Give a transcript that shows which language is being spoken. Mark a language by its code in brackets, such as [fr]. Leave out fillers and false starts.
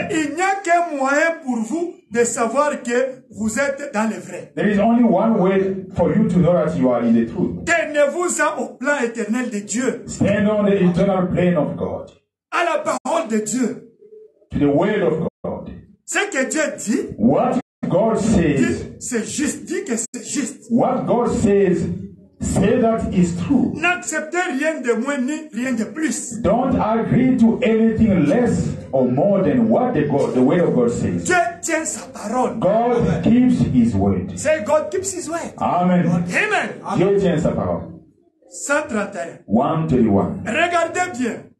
[fr] Et il n'y a qu'un moyen pour vous de savoir que vous êtes dans le vrai. [en] There is only one way for you to know that you are in the truth. [fr] Tenez-vous-en au plan éternel de Dieu. [en] Stand on the eternal plan of God. [fr] À la parole de Dieu. [en] To the word of God. [fr] Ce que Dieu dit. [en] What God says. [fr] C'est juste. Dis que c'est juste. [en] What God says. Say that is true. [fr] N'acceptez rien de moins ni rien de plus. [en] Don't agree to anything less or more than what the way of God says. [fr] Dieu tient sa parole. [en] God Amen. Keeps his word. Say God keeps his word. Amen. Amen. [fr] Dieu tient sa parole. 131. 131. Regardez bien.